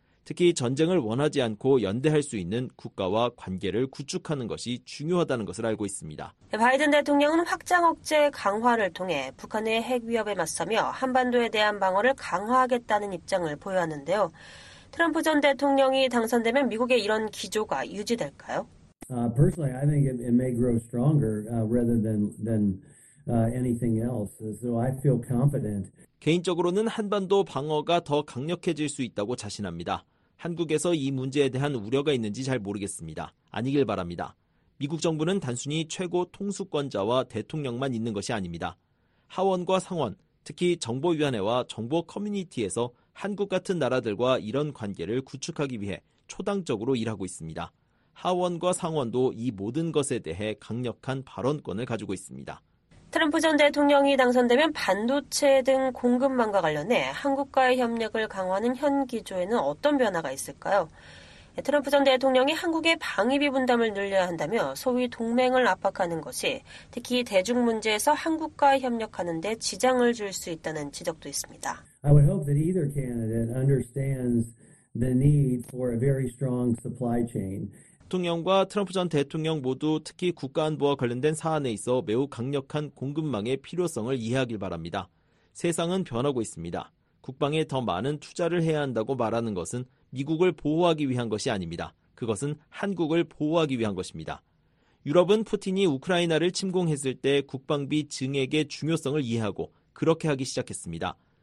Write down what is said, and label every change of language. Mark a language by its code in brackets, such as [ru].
[ko] 특히 전쟁을 원하지 않고 연대할 수 있는 국가와 관계를 구축하는 것이 중요하다는 것을 알고 있습니다. 바이든 대통령은 확장 억제 강화를 통해 북한의 핵 위협에 맞서며 한반도에 대한 방어를 강화하겠다는 입장을 보여왔는데요. 트럼프 전 대통령이 당선되면 미국의 이런 기조가 유지될까요? [en] Personally, I think it may grow stronger rather than anything else. So I feel confident. [ko] 개인적으로는 한반도 방어가 더 강력해질 수 있다고 자신합니다. 한국에서 이 문제에 대한 우려가 있는지 잘 모르겠습니다. 아니길 바랍니다. 미국 정부는 단순히 최고 통수권자와 대통령만 있는 것이 아닙니다. 하원과 상원, 특히 정보위원회와 정보 커뮤니티에서 한국 같은 나라들과 이런 관계를 구축하기 위해 초당적으로 일하고 있습니다. 하원과 상원도 이 모든 것에 대해 강력한 발언권을 가지고 있습니다. 트럼프 전 대통령이 당선되면 반도체 등 공급망과 관련해 한국과의 협력을 강화하는 현 기조에는 어떤 변화가 있을까요? 트럼프 전 대통령이 한국의 방위비 분담을 늘려야 한다며 소위 동맹을 압박하는 것이 특히 대중 문제에서 한국과 협력하는 데 지장을 줄 수 있다는 지적도 있습니다. [en] I would hope that either candidate understands the need for a very strong supply chain. [ko] 대통령과 트럼프 전 대통령 모두 특히 국가안보와 관련된 사안에 있어 매우 강력한 공급망의 필요성을 이해하길 바랍니다. 세상은 변하고 있습니다. 국방에 더 많은 투자를 해야 한다고 말하는 것은 미국을 보호하기 위한 것이 아닙니다. 그것은 한국을 보호하기 위한 것입니다. 유럽은 푸틴이 우크라이나를 침공했을 때 국방비 증액의 중요성을 이해하고 그렇게 하기 시작했습니다.